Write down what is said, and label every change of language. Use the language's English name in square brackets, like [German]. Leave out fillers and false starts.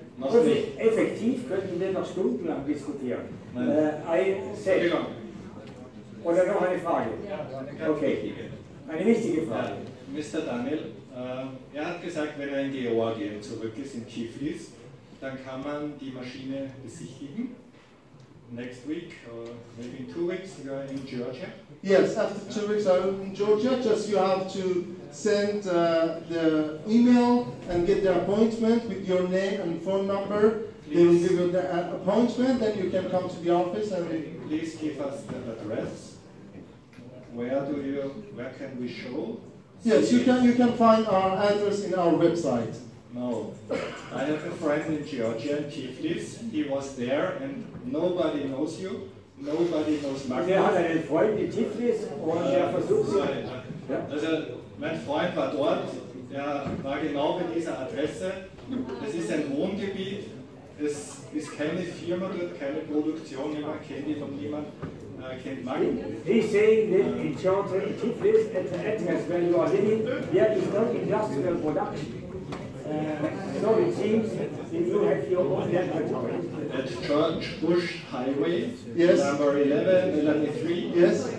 [German] Super! Effektiv könnten wir noch stundenlang diskutieren. Oder noch eine Frage? Ja, eine ganz wichtige. Eine wichtige Frage. [English] Mr. [German] Daniel, er hat gesagt, wenn er in Georgien zurück ist, in Tiflis, dann kann man die Maschine besichtigen. [English] Next week, or maybe in 2 weeks, you are in Georgia. Yes, after 2 weeks I'm in Georgia, just you have to send the email and get the appointment with your name and phone number. Please. They will give you the appointment, then you can come to the office and please give us the address. Where can we show? Yes, so you can find our address in our website. No. I have a friend in Georgia, Tiflis. He was there and nobody knows you. Nobody knows Magmov. [German] Er hat einen Freund in Tiflis und er versucht sie. Also, mein Freund war dort, der war genau bei dieser Adresse. Es ist ein Wohngebiet, es ist keine Firma dort, keine Produktion, niemand kennt ihn von niemandem, kennt Magmov. [English] He's saying that in Georgia, in Tiflis, at the address where you are living, there is no industrial production. So it seems that you have your own laboratory. At George Bush Highway, yes. Number 1193, yes.